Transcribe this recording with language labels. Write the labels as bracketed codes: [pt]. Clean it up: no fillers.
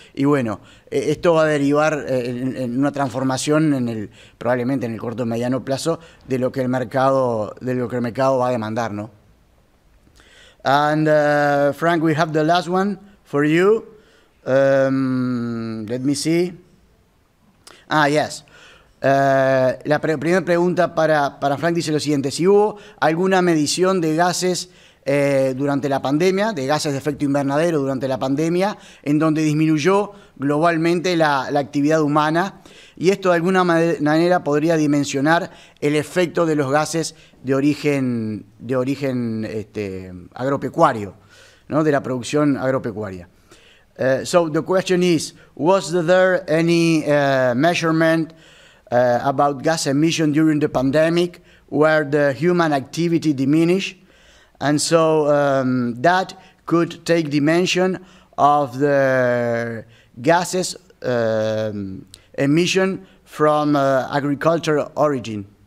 [es] Y bueno, esto va a derivar en una transformación probablemente en el corto o mediano plazo de lo que el mercado va a demandar, ¿no? [en] And Frank, we have the last one for you. Let me see. Ah, yes. [es] La primera pregunta para Frank dice lo siguiente: si hubo alguna medición de gases durante la pandemia, de gases de efecto invernadero durante la pandemia, en donde disminuyó globalmente la actividad humana, y esto de alguna manera podría dimensionar el efecto de los gases de origen agropecuario, ¿no? De la producción agropecuaria. [en] So the question is, was there any measurement about gas emission during the pandemic where the human activity diminished? And so that could take dimension of the gases emission from agricultural origin.